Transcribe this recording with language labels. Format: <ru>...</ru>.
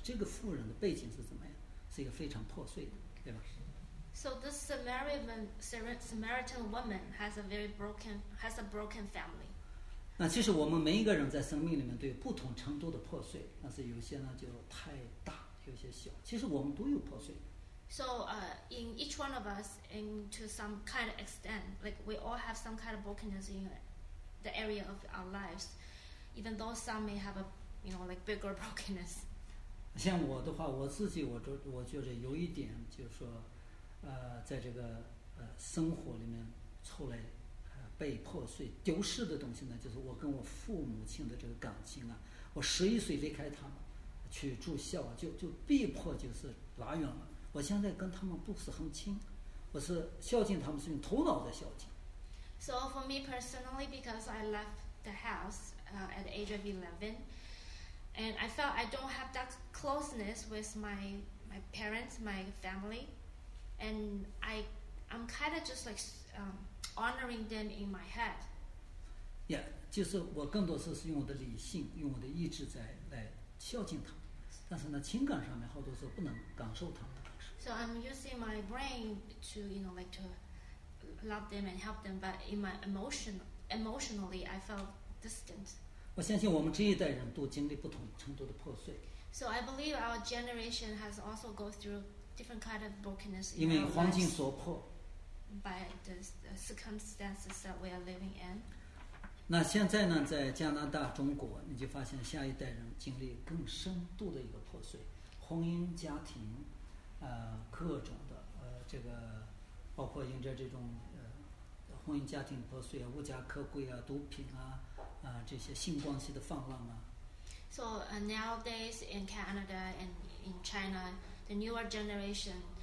<zh>这个妇人的背景是怎么样？是一个非常破碎的，对吧</zh> <en>？So this Samaritan woman has a broken family.</en> <zh>那其实我们每一个人在生命里面都有不同程度的破碎，但是有些呢就太大，有些小。其实我们都有破碎。</zh> <en>So, in each one of us, in to some kind of extent, like we all have some kind of brokenness in the area of our lives, even though some may have a, you know, like bigger brokenness.</en> <zh>像我的话，我自己我觉得有一点就是说，在这个生活里面出来。被破碎丢失的东西呢，就是我跟我父母亲的这个感情啊。我11岁离开他们去住校啊，就被迫就是拉远了。我现在跟他们不是很亲，我是孝敬他们是用头脑在孝敬。</zh> <en>So for me personally, because I left the house at the age of 11, and I felt I don't have that closeness with my parents, my family, and I'm kind of just like honoring them in my head.</en> <zh>Yeah, 就是我更多是用我的理性，用我的意志在来孝敬他们，但是呢，情感上面好多时候不能感受他们的感受。</zh> <en>So I'm using my brain to, you know, like to love them and help them, but in my emotionally, I felt distant.</en> <zh>我相信我们这一代人都经历不同程度的破碎。</zh> <en>So I believe our generation has also go through different kind of brokenness.</en> <zh>因为环境所迫。</zh> <en>By the circumstances that we are living in.</en> <zh>那现在呢，在加拿大、中国，你就发现下一代人经历更深度的一个破碎，婚姻、家庭，各种的，这个包括因着这种婚姻家庭破碎啊，无家可归啊，毒品啊，这些性关系的泛滥啊。</zh> <en>So nowadays in Canada and in China, the newer generation.</en>